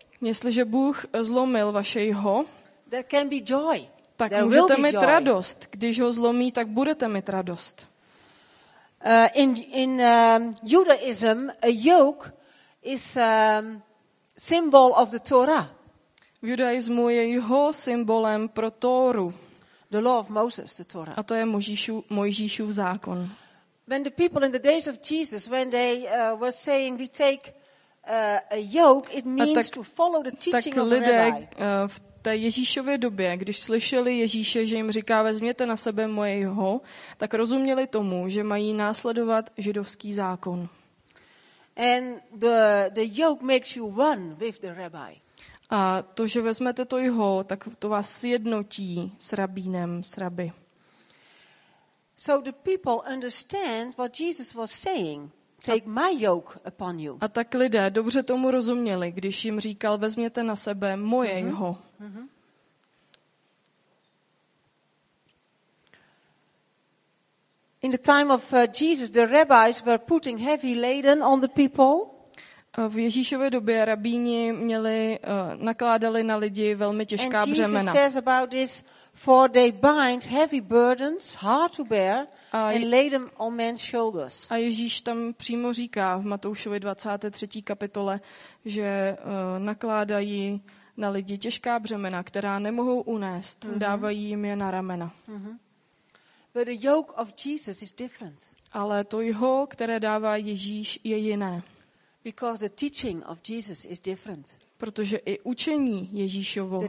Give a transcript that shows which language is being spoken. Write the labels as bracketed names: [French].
[Czech] jestliže Bůh zlomil vaše jho, [English] there can be joy. [Czech] Tak můžete mít radost. Když ho zlomí, tak budete mít radost. [English] In Judaism, a yoke is symbol of the Torah. [Czech] V judaismu je jho symbolem pro Tóru. [English] The law of Moses, the Torah. [Czech] A to je Mojžíšův zákon. [English] When the people in the days of Jesus, when they were saying, we take a yoke, it means to follow the teaching of the rabbi. [Czech] Tak lidé v té Ježíšově době, když slyšeli Ježíše, že jim říká, vezměte na sebe moje jho, tak rozuměli tomu, že mají následovat židovský zákon. [English] And the yoke makes you one with the rabbi. [Czech] A to, že vezmete to jho, tak to vás sjednotí s rabínem, s rabi. [English] So the people understand what Jesus was saying. Take my yoke upon you. [Czech] A tak lidé dobře tomu rozuměli, když jim říkal, vezměte na sebe moje jho. [English] In the time of Jesus, the rabbis were putting heavy laden on the people. [Czech] V Ježíšově době rabíni nakládali na lidi velmi těžká břemena. [English] And Jesus says about this, for they bind heavy burdens, hard to bear, and lay them on men's shoulders. [Czech] A Ježíš tam přímo říká v Matoušově 23. kapitole, že nakládají na lidi těžká břemena, která nemohou unést, dávají jim je na ramena. [English] But the yoke of Jesus is different. [Czech] Ale to jeho, které dává Ježíš, je jiné. [English] Because the teaching of Jesus is different. [Czech] Protože i učení Ježíšovo